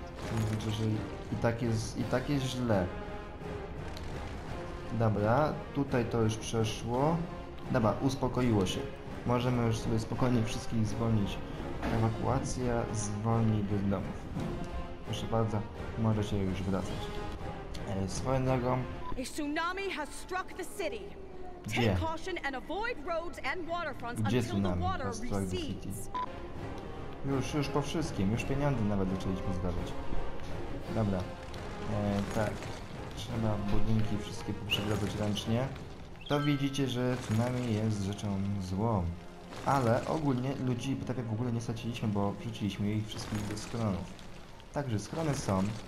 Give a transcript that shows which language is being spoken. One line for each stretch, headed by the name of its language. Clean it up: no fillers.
Polish: To znaczy, że i tak jest źle. Dobra, tutaj to już przeszło. Dobra, uspokoiło się. Możemy już sobie spokojnie wszystkich zwolnić. Ewakuacja zwolni do domów. Proszę bardzo, możecie już wracać. Swoją drogą.
English: A tsunami has struck the city. Take caution and avoid roads and waterfronts until the water recedes.
Polish: Już po wszystkim, już pieniądze nawet zaczęliśmy zdarzać. Dobra. Tak. Trzeba budynki wszystkie poprzegrodzić ręcznie. To widzicie, że tsunami jest rzeczą złą. Ale ogólnie ludzi prawie w ogóle nie straciliśmy, bo wrzuciliśmy ich wszystkich do schronów. Także schrony są.